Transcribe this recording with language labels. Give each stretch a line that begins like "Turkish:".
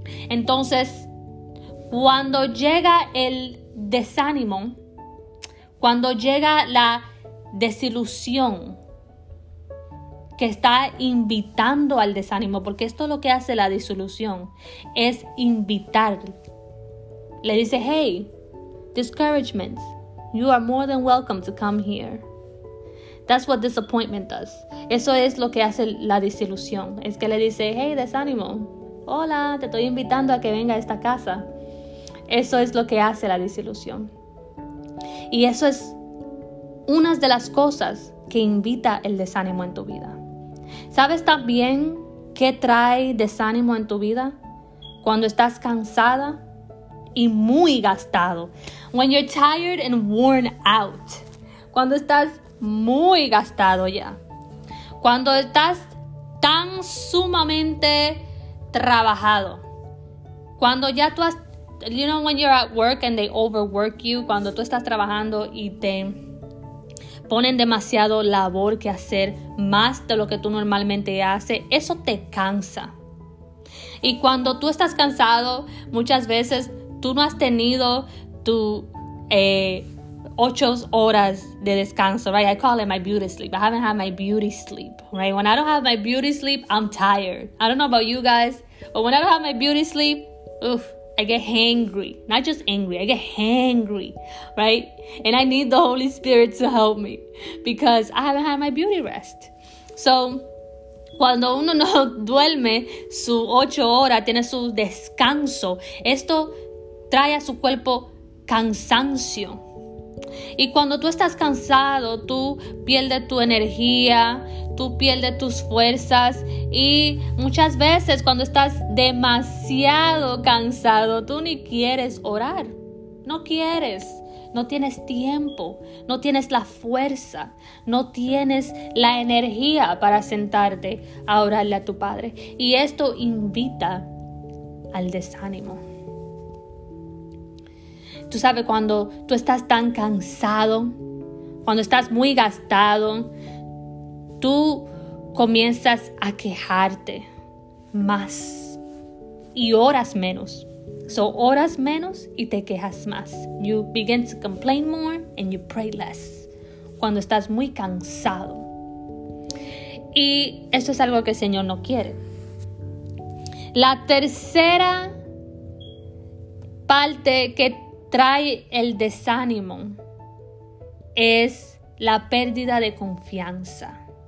Spanish: Entonces, cuando llega el desánimo, cuando llega la desilusión, que está invitando al desánimo, porque esto es lo que hace la desilusión, es invitar. Le dice,
English: hey, discouragement, you are more than welcome to come here. That's what disappointment does.
Spanish: Eso es lo que hace la desilusión. Es que le dice, hey, desánimo, hola, te estoy invitando a que venga a esta casa. Eso es lo que hace la desilusión. Y eso es una de las cosas que invita el desánimo en tu vida. ¿Sabes también qué trae desánimo en tu vida? Cuando estás cansada y muy gastado.
English: When you're tired and worn out.
Spanish: Cuando estás muy gastado ya. Cuando estás tan sumamente trabajado. Cuando ya tú has,
English: you know, when you're at work and they overwork you.
Spanish: Cuando tú estás trabajando y te ponen demasiado labor que hacer, más de lo que tú normalmente haces, eso te cansa. Y cuando tú estás cansado, muchas veces tú no has tenido tu 8 horas de descanso, right?
English: I call it my beauty sleep. I haven't had my beauty sleep, right? When I don't have my beauty sleep, I'm tired. I don't know about you guys, but when I don't have my beauty sleep, oof, I get hangry. Not just angry, I get hangry, right? And I need the Holy Spirit to help me because I haven't had my beauty rest.
Spanish: So, cuando uno no duerme su 8 horas, tiene su descanso, esto trae a su cuerpo cansancio. Y cuando tú estás cansado, tú pierdes tu energía, tú pierdes tus fuerzas. Y muchas veces cuando estás demasiado cansado, tú ni quieres orar. No quieres, no tienes tiempo, no tienes la fuerza, no tienes la energía para sentarte a orarle a tu Padre. Y esto invita al desánimo. Tú sabes, cuando tú estás tan cansado, cuando estás muy gastado, tú comienzas a quejarte más y oras menos. So, oras menos y te quejas más.
English: You begin to complain more and you pray less.
Spanish: Cuando estás muy cansado. Y esto es algo que el Señor no quiere. La tercera parte que trae el desánimo es la pérdida de confianza.